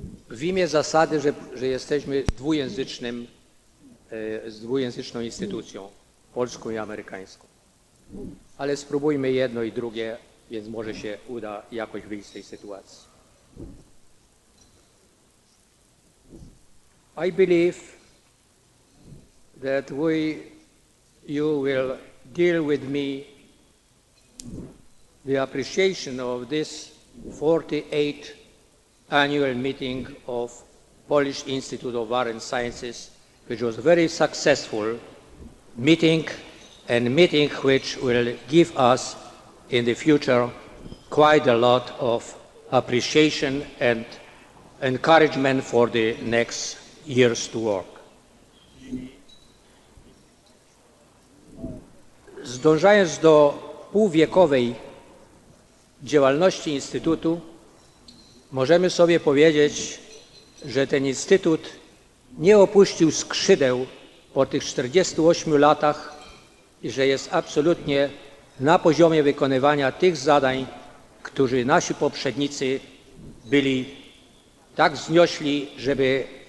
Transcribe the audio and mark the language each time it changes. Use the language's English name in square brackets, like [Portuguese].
[Polish] W imię zasady, że jesteśmy dwujęzycznym, z dwujęzyczną instytucją, polską i amerykańską. Ale spróbujmy jedno i drugie, więc może się uda jakoś wyjść z tej sytuacji. [English] I believe that you will deal with me the appreciation of this 48th annual meeting of Polish Institute of Art and Sciences, which was a very successful meeting, and meeting which will give us in the future quite a lot of appreciation and encouragement for the next years to work. [Polish] Zdążając do półwiekowej działalności Instytutu, możemy sobie powiedzieć, że ten Instytut nie opuścił skrzydeł po tych 48 latach i że jest absolutnie na poziomie wykonywania tych zadań, którzy nasi poprzednicy byli tak wzniośli, żeby